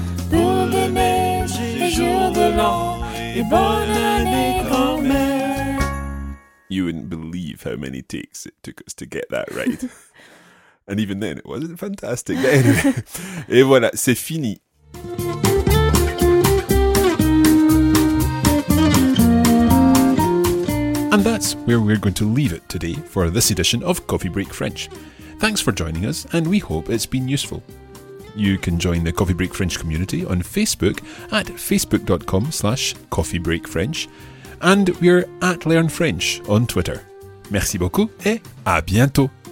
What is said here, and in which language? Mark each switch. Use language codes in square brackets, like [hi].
[fr] Boule de neige et jour de l'an et bonne année grand-mère. [en] You wouldn't believe how many takes it took us to get that right. And even then, it wasn't fantastic. But anyway, [fr] et voilà, c'est fini. [en] And that's where we're going to leave it today for this edition of Coffee Break French. Thanks for joining us, and we hope it's been useful. You can join the Coffee Break French community on Facebook at facebook.com/coffeebreakfrench, and we're at Learn French on Twitter. [fr] Merci beaucoup et à bientôt!